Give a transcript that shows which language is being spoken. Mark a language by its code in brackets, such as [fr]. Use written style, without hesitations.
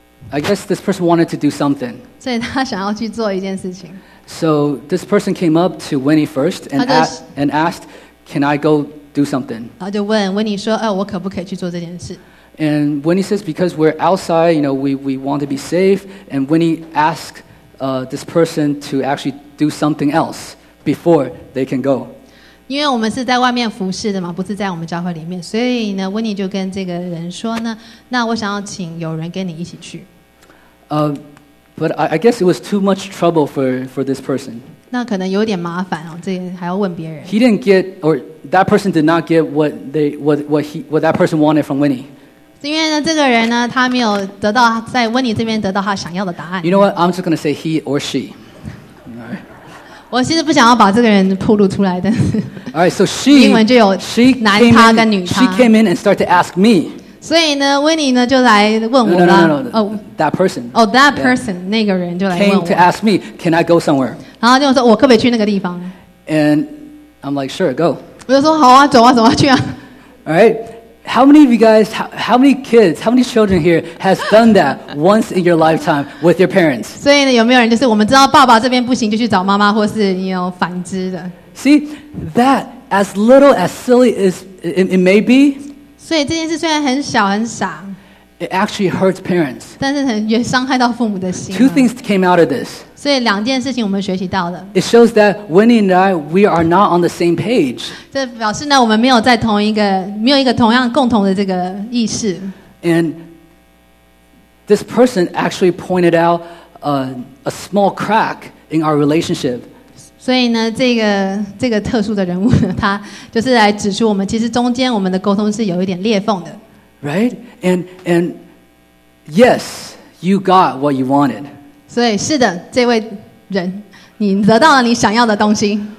[en] ，I guess this person wanted to do something. [zh] 所以他想要去做一件事情。 [en] So this person came up to Winnie first and asked, "Can I go do something?" [zh] 然后就问 Winnie 说，哎，我可不可以去做这件事？ [en] And Winnie says, because we're outside, you know, we want to be safe. And Winnie asks this person to actually do something else before they can go. [zh] 因为我们是在外面服事的嘛，不是在我们教会里面，所以呢 ，Winnie 就跟这个人说呢，那我想要请有人跟你一起去。 [en] But I guess it was too much trouble for this person. [zh] 那可能有点麻烦哦，这个还要问别人。 [en] He didn't get, or that person did not get what that person wanted from Winnie. [zh] 因为呢，这个人呢，他没有得到在温妮这边得到他想要的答案。 [en] You know what? I'm just gonna say he or she. [zh] Right. 我其实不想要把这个人暴露出来的。 [en] All right, so she. [zh] 英文就有男他跟女他。 [en] She came in and started to ask me. [zh] 所以呢，温妮呢就来问我了。 [en] No. That person. Oh, that person. Yeah. [zh] 那个人就来问我。 [en] Came to ask me, can I go somewhere? [zh] 然后就说，我可不可以去那个地方 [en] ？And I'm like, sure, go. [zh] 我就说，好啊，走啊，走啊，去啊。 [en] All right. How many of you guys, how many kids, how many children here has done that once in your lifetime with your parents? [zh] 所以呢，有没有人就是我们知道爸爸这边不行，就去找妈妈，或是你有反之的 [en] ？See that as little as silly as it may be. [zh] 所以这件事虽然很小很傻 [en] ，it actually hurts parents. [zh] 但是也伤害到父母的心。 [en] Two things came out of this. [zh] 所以两件事情我们学习到了。 [en] It shows that Winnie and I we are not on the same page. [zh] 这表示呢，我们没有在同一个，没有一个同样共同的这个意识。 [en] And this person actually pointed out a small crack in our relationship. [zh] 所以呢，这个特殊的人物，他就是来指出我们其实中间我们的沟通是有一点裂缝的。 [en] Right? And yes, you got what you wanted. [zh] 所以是的，这位人，你得到了你想要的东西。